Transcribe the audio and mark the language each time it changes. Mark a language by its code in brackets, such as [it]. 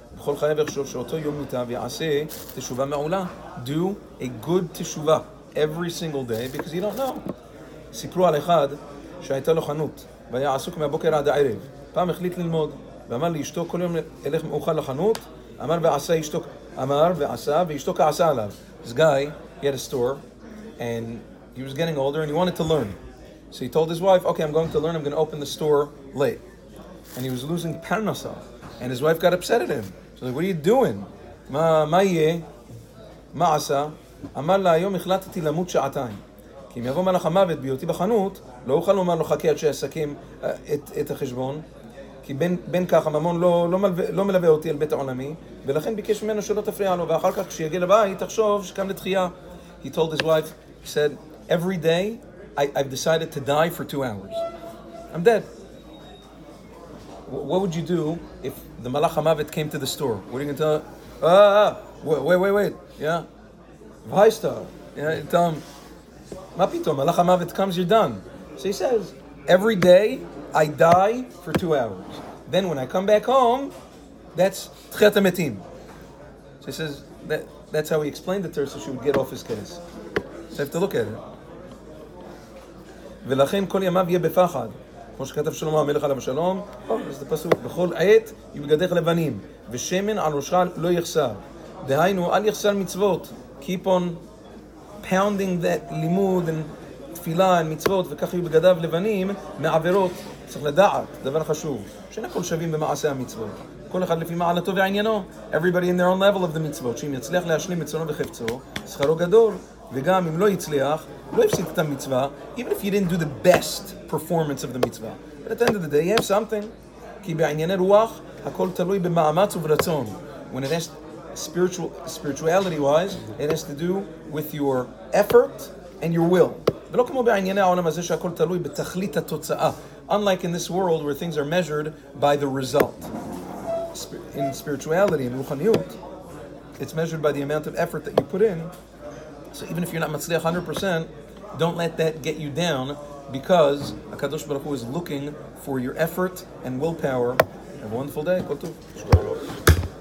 [he] בכל חייו יחשוב שאותו יום מוטב יעשה תשובה מעולה. [en] Do a good תשובה every single day because you don't know. [he] סיפרו על אחד שהייתה לו חנות והיה עסוק מהבוקר עד הערב. פעם החליט ללמוד ואמר לאשתו כל יום אלך מאוחר לחנות. אמר ועשה ואשתו כעשה עליו. [en] This guy, he had a store and he was getting older and he wanted to learn. So he told his wife, okay, I'm going to learn, I'm going to open the store late. And he was losing parnasa. And his wife got upset at him. She's like, what are you doing? [he] Ma ye? Ma asa? Amar la, ayom ichlatati lamut sha'atayim. Ki im yavo malach ha-mavet biyoti b'chanut, lo uchal lomar lo chakei ad she'asakim et ha-cheshbon. Ki ben kach ha-mamon lo melave oti el bet ha-olami. Ve'lachen bikesh ממנו שלא תפריע לו. ואחר כך כשיגיע לבית, תחשוב שקם לתחייה. [en] He told his wife, he said, every day I've decided to die for 2 hours. I'm dead. What would you do if the Malach HaMavet came to the store? What are you going to tell him? Wait. Yeah. Vaistar. Yeah, tell him, Ma pito, Malach HaMavet comes, you're done. So he says, every day I die for 2 hours. Then when I come back home, that's Tchiyat HaMetim. So he says, that's how he explained it to her so she would get off his case. So I have to look at it. [he] V'lachin kol yamav yeh befachad. כמו שכתב שלום המלך עליו השלום, אז זה פסוק, בכל עת יבגדך לבנים, ושמן על ראשך לא יחסר. דהיינו, אל יחסר מצוות. [en] Keep on pounding that [he] לימוד ותפילה על מצוות, וכך יבגדיו לבנים, מעברות. צריך לדעת, דבר חשוב, שאין הכל שווים במעשה המצוות. כל אחד לפי מעלתו ועניינו. [en] Everybody in their own level of the [he] מצוות, שאם יצליח להשלים מצונו וחפצו, שכרו גדול. וגם אם לא יצליח, לא יפסיד את המצווה, [en] even if you didn't do the best performance of the [he] מצווה. [en] But at the end of the day, you have something. [he] כי בענייני רוח, הכל תלוי במאמץ וברצון. [en] When it has spirituality wise, it has to do with your effort and your will. [he] ולא כמו בענייני העולם הזה שהכל תלוי בתכלית התוצאה. [en] Unlike in this world where things are measured by the result. In spirituality, in רוחניות, it's measured by the amount of effort that you put in. So even if you're not matzliach 100%, don't let that get you down, because HaKadosh Baruch Hu is looking for your effort and willpower. Have a wonderful day. Kol tov.